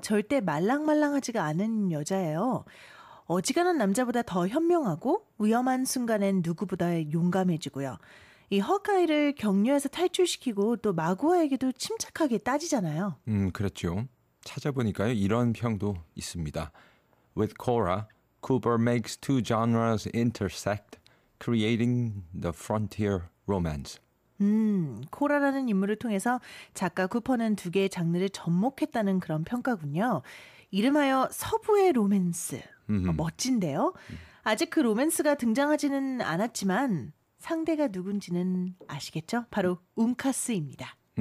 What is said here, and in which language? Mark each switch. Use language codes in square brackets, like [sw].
[ko] 절대 말랑말랑하지가 않은 여자예요. 어지간한 남자보다 더 현명하고 위험한 순간엔 누구보다 용감해지고요. 이 허카이를 격려해서 탈출시키고 또 마구아에게도 침착하게 따지잖아요. 그렇죠. 찾아보니까요. 이런 평도 있습니다. [en] With Cora, Cooper makes two genres intersect, creating the frontier romance. [ko] 코라라는 인물을 통해서 작가 쿠퍼는 두 개의 장르를 접목했다는 그런 평가군요. 이름하여 서부의 로맨스. 멋진데요. 아직 그 로맨스가 등장하지는 않았지만 상대가 누군지는 아시겠죠? 바로 웅카스입니다.